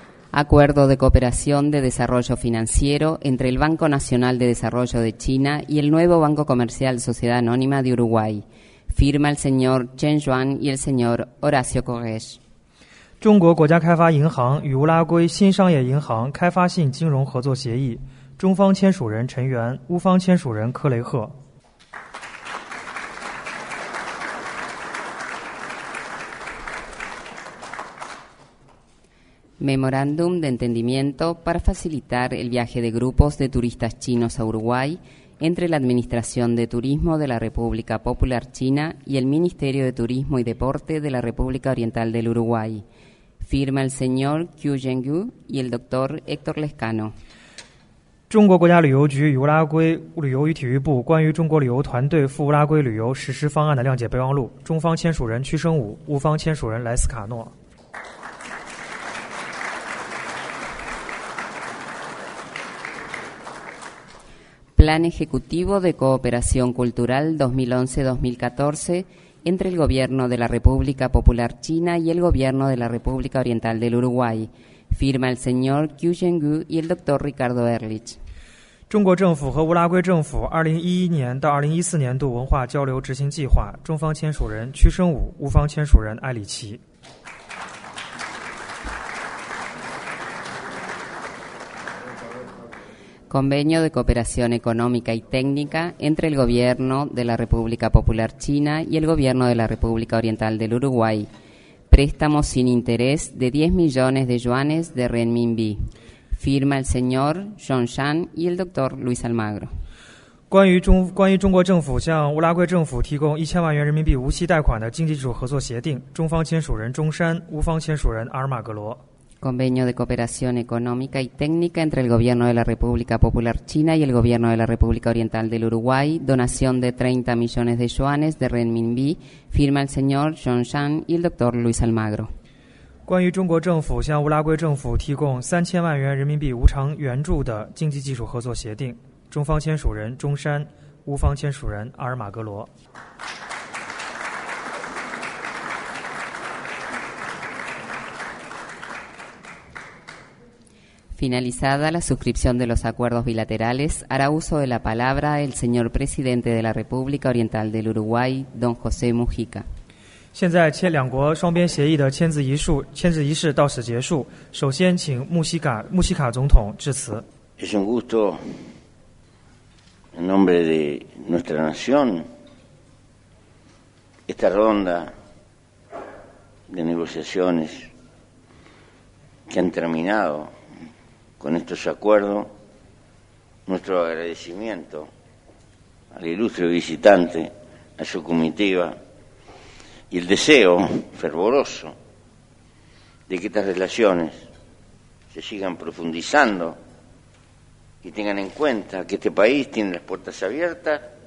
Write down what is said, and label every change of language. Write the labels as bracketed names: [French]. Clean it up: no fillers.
[Spanish] Acuerdo de cooperación de desarrollo financiero entre el Banco Nacional de Desarrollo de China y el nuevo Banco Comercial Sociedad Anónima de Uruguay. Firma el señor Chen Yuan y el señor Horacio Correa. [Chinese] 中国国家开发银行与乌拉圭新商业银行开发性金融合作协议，中方签署人陈元，乌方签署人柯雷赫。 [Spanish] Memorándum de entendimiento para facilitar el viaje de grupos de turistas chinos a Uruguay entre la Administración de Turismo de la República Popular China y el Ministerio de Turismo y Deporte de la República Oriental del Uruguay. Firma el señor Qiu Zhengyu y el doctor Héctor Lescano. [Chinese] 中国国家旅游局与乌拉圭旅游与体育部关于中国旅游团队赴乌拉圭旅游实施方案的谅解备忘录，中方签署人屈生武，乌方签署人莱斯卡诺。 [Spanish] Plan Ejecutivo de Cooperación Cultural 2011-2014 entre el Gobierno de la República Popular China y el Gobierno de la República Oriental del Uruguay. Firma el señor Qiu Zhengyu y el doctor Ricardo Ehrlich. [Chinese] 中国政府和乌拉圭政府2011年到2014年度文化交流执行计划，中方签署人屈生武，乌方签署人艾里奇。 [Spanish] Convenio de cooperación económica y técnica entre el Gobierno de la República Popular China y el Gobierno de la República Oriental del Uruguay. Préstamos sin interés de 10 millones de yuanes de renminbi. Firma el señor John Shan y el doctor Luis Almagro. [Chinese] 关于中国政府向乌拉圭政府提供1000万元人民币无息贷款的经济技术合作协定，中方签署人中山，乌方签署人阿尔马格罗。 [Spanish] Convenio de cooperación económica y técnica entre el Gobierno de la República Popular China y el Gobierno de la República Oriental del Uruguay. Donación de 30 millones de yuanes de renminbi. Firma el señor John Shan y el doctor Luis Almagro. [Chinese] 关于中国政府向乌拉圭政府提供3000万元人民币无偿援助的经济技术合作协定，中方签署人中山，乌方签署人阿尔马格罗。 [Spanish] Finalizada la suscripción de los acuerdos bilaterales, hará uso de la palabra el señor presidente de la República Oriental del Uruguay, don José Mujica. [Chinese] 现在签两国双边协议的签字仪式到此结束。首先，请穆西卡总统致辞。 [Spanish] Es un gusto en nombre de nuestra nación esta ronda de negociaciones que han terminado. Con estos acuerdos, nuestro agradecimiento al ilustre visitante, a su comitiva y el deseo fervoroso de que estas relaciones se sigan profundizando y tengan en cuenta que este país tiene las puertas abiertas